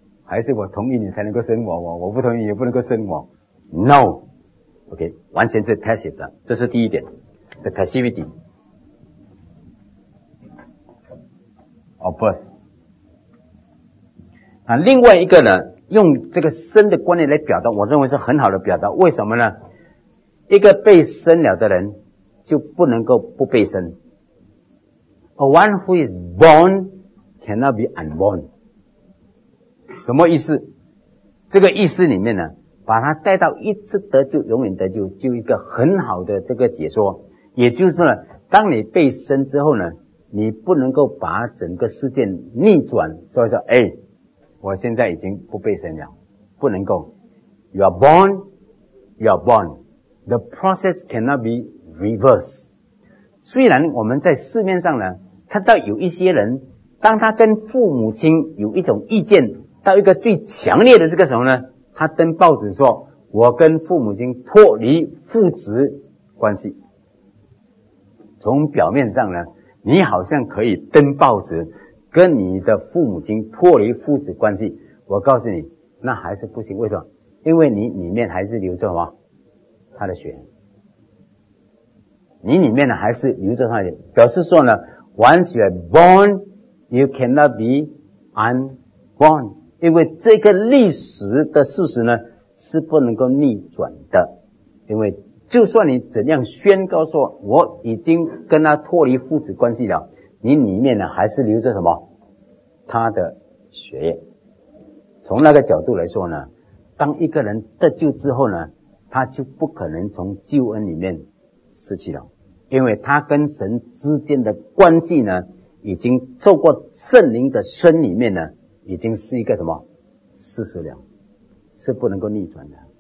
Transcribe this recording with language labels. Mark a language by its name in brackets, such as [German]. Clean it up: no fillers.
[Chinese] 还是我同意你才能够生我不同意也不能够生我。 [English] No, OK, [Chinese] 完全是 passive 的，这是第一点 ， [English] the passivity of birth。 [Chinese] 啊，另外一个呢，用这个生的观念来表达，我认为是很好的表达。为什么呢？一个被生了的人就不能够不被生。 [English] A one who is born cannot be unborn。 [Chinese] 什么意思？这个意思里面呢，把它带到一次得救永远得救，就一个很好的这个解说。也就是呢，当你被生之后呢，你不能够把整个事件逆转，所以说，哎，我现在已经不被生了，不能够。 [English] You are born, you are born. The process cannot be reversed. [Chinese] 虽然我们在市面上呢，看到有一些人，当他跟父母亲有一种意见，到一个最强烈的这个时候呢，他登报纸说，我跟父母亲脱离父子关系。从表面上呢，你好像可以登报纸跟你的父母亲脱离父子关系，我告诉你那还是不行。为什么？因为你里面还是留着什么？他的血。你里面呢还是留着他的血，表示说呢， [English] once you are born you cannot be unborn。 [Chinese] 因为这个历史的事实呢是不能够逆转的，因为就算你怎样宣告说我已经跟他脱离父子关系了，你里面呢还是留着什么？他的血液。从那个角度来说呢，当一个人得救之后呢，他就不可能从救恩里面失去了，因为他跟神之间的关系呢已经透过圣灵的身里面呢已经是一个什么事实了，是不能够逆转的。